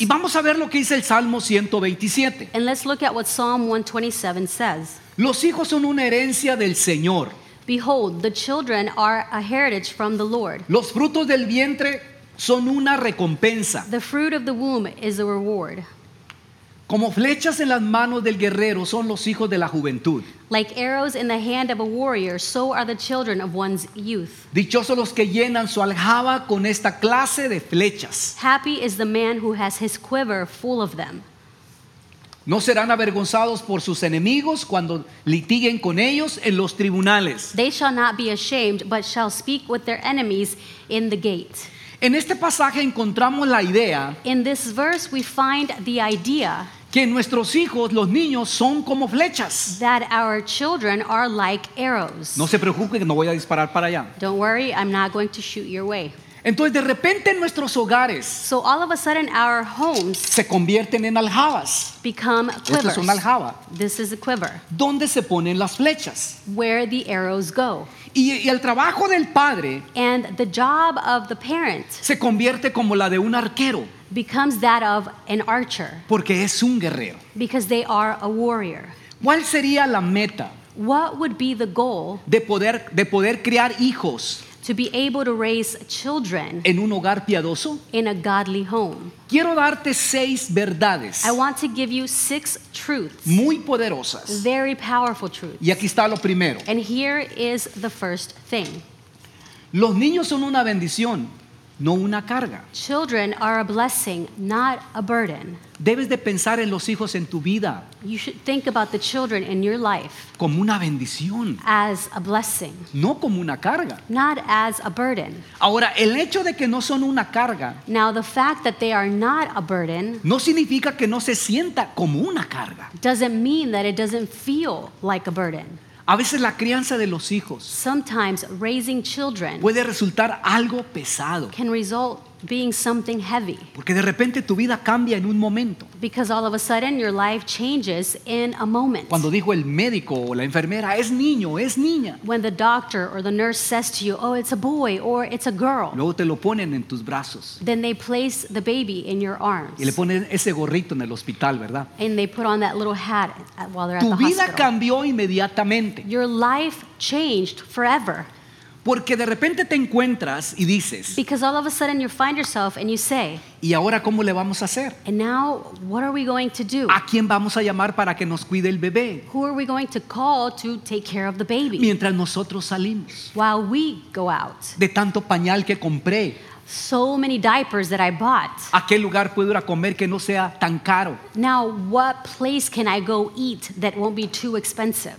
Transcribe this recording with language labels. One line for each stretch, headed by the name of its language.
Spanish: Y vamos a ver lo que dice el Salmo 127.
English: And let's look at what Psalm 127 says.
Spanish: Los hijos son una herencia del Señor.
English: Behold, the children are a heritage from the Lord.
Spanish: Los frutos del vientre son una recompensa.
English: The fruit of the womb is a reward.
Spanish: Como flechas en las manos del guerrero son los hijos de la juventud.
English: Like arrows in the hand of a warrior, so are the children of one's youth.
Spanish: Dichosos los que llenan su aljaba con esta clase de flechas.
English: Happy is the man who has his quiver full of them.
Spanish: No serán avergonzados por sus enemigos cuando litiguen con ellos en los tribunales.
English: They shall not be ashamed, but shall speak with their enemies in the gate.
Spanish: En este pasaje encontramos la idea.
English: In this verse we find the idea.
Spanish: Que nuestros hijos, los niños, son como flechas.
English: That our children are like arrows.
Spanish: No se preocupe, no voy a disparar para allá.
English: Don't worry, I'm not going to shoot your way.
Spanish: Entonces, de repente, nuestros hogares
English: so all of a sudden, our homes
Spanish: se convierten en aljabas.
English: Become quivers.
Spanish: Esto es una aljaba.
English: This is a quiver.
Spanish: ¿Dónde se ponen las flechas?
English: Where the arrows go.
Spanish: Y el trabajo del padre
English: and the job of the parent
Spanish: se convierte como la de un arquero.
English: Becomes that of an archer.
Spanish: Porque es un guerrero.
English: Because they are a warrior.
Spanish: ¿Cuál sería la meta?
English: What would be the goal?
Spanish: De poder criar hijos.
English: To be able to raise children.
Spanish: En un hogar piadoso.
English: In a godly home.
Spanish: Quiero darte seis verdades.
English: I want to give you six truths.
Spanish: Muy poderosas.
English: Very powerful truths.
Spanish: Y aquí está lo primero.
English: And here is the first thing.
Spanish: Los niños son una bendición. No una carga.
English: Children are a blessing, not a burden.
Spanish: Debes de pensar en los hijos en tu vida.
English: You should think about the children in your life.
Spanish: Como una bendición.
English: As a blessing.
Spanish: No como una carga.
English: Not as a burden.
Spanish: Ahora, el hecho de que no son una carga.
English: Now, the fact that they are not a burden.
Spanish: No significa que no se sienta como una carga.
English: Doesn't mean that it doesn't feel like a burden.
Spanish: A veces la crianza de los hijos
English: sometimes raising children
Spanish: puede resultar algo pesado.
English: Can result being something heavy.
Spanish: Porque de repente tu vida cambia en un momento.
English: Because all of a sudden your life changes in a moment.
Spanish: Cuando dijo el médico o la enfermera, es niño, es niña.
English: When the doctor or the nurse says to you, oh, it's a boy or it's a girl.
Spanish: Luego te lo ponen en tus brazos.
English: Then they place the baby in your arms.
Spanish: Y le ponen ese gorrito en el hospital, ¿verdad?
English: And they put on that little hat while they're
Spanish: tu
English: at the hospital.
Spanish: Tu vida cambió inmediatamente.
English: Your life changed forever.
Spanish: Porque de repente te encuentras y dices.
English: Because all of a sudden you find yourself and you say.
Spanish: ¿Y ahora cómo le vamos a hacer?
English: And now what are we going to do?
Spanish: ¿A quién vamos a llamar para que nos cuide el bebé?
English: Who are we going to call to take care of the baby?
Spanish: Mientras nosotros salimos.
English: While we go out.
Spanish: De tanto pañal que compré.
English: So many diapers that I bought.
Spanish: ¿A qué lugar puedo ir a comer que no sea tan caro?
English: Now, what place can I go eat that won't be too expensive?